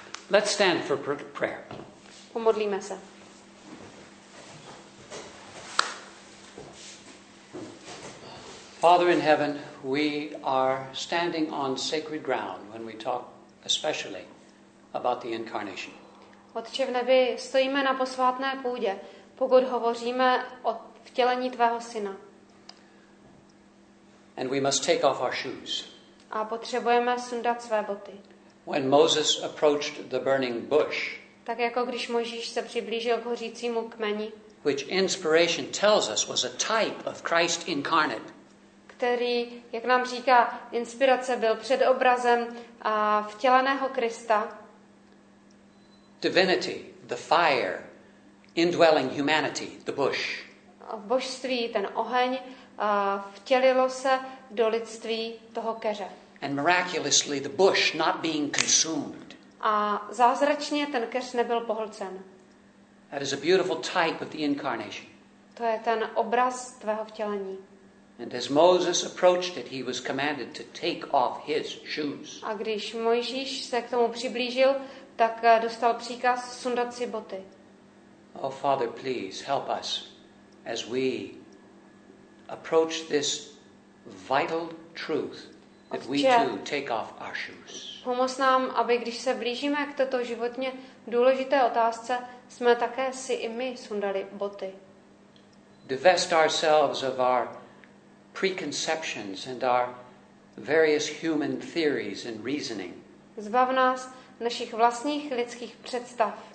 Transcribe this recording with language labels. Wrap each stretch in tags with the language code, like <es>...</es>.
<en>Let's stand for prayer.</en> <cs>Pomodlíme se.</cs> <en>Father in heaven, we are standing on sacred ground when we talk especially about the incarnation.</en> <cs>Otče v nebi, stojíme na posvátné půdě, pokud hovoříme o vtělení tvého syna.</cs> <en>And we must take off our shoes.</en> <cs>A potřebujeme sundat své boty.</cs> <en>When Moses approached the burning bush.</en> <cs>Tak jako když Mojžíš se přiblížil k hořícímu kmeni.</cs> <en>Which inspiration tells us was a type of Christ incarnate.</en> <cs>Který, jak nám říká, inspirace byl předobrazem vtěleného Krista.</cs> <en>Divinity, the fire, indwelling humanity, the bush.</en> <cs>Božství, ten oheň, vtělilo se do lidství toho keře.</cs> <en>And miraculously, the bush not being consumed.</en> <cs>A zázračně ten keř nebyl pohlcen.</cs> <en>That is a beautiful type of the incarnation.</en> <cs>To je ten obraz tvého vtělení.</cs> <en>And as Moses approached it, he was commanded to take off his shoes.</en> <cs>A když Mojžíš se k tomu přiblížil, tak dostal příkaz sundat si boty.</cs> <en>Oh Father, please help us as we approach this vital truth that we too take off our shoes.</en> <cs>Pomoz nám, aby když se blížíme k této životně důležité otázce, jsme také si i my sundali boty.</cs> <en>Divest ourselves of our preconceptions and our various human theories and reasoning.</en> <cs>Zbav nás našich vlastních lidských představ.</cs>